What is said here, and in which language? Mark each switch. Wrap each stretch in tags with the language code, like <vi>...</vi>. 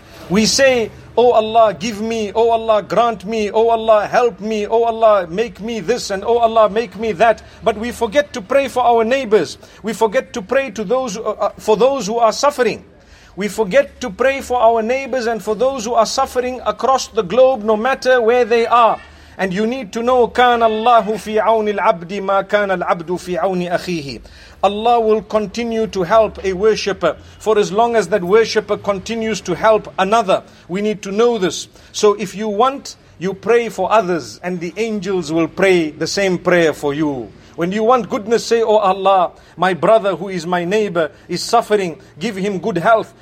<en>We say, oh Allah, give me, oh Allah, grant me, oh Allah, help me, oh Allah, make me this, and oh Allah, make me that. But we forget to pray for our neighbors. We forget to pray to those for those who are suffering. We forget to pray for our neighbors and for those who are suffering across the globe, no matter where they are. And you need to know,</en> <ar>كَانَ اللَّهُ فِي عَوْنِ الْعَبْدِ مَا كَانَ الْعَبْدُ فِي عَوْنِ أَخِيهِ.</ar> <en>Allah will continue to help a worshipper for as long as that worshipper continues to help another. We need to know this. So if you want, you pray for others and the angels will pray the same prayer for you. When you want goodness, say, oh Allah, my brother who is my neighbor is suffering, give him good health.</en>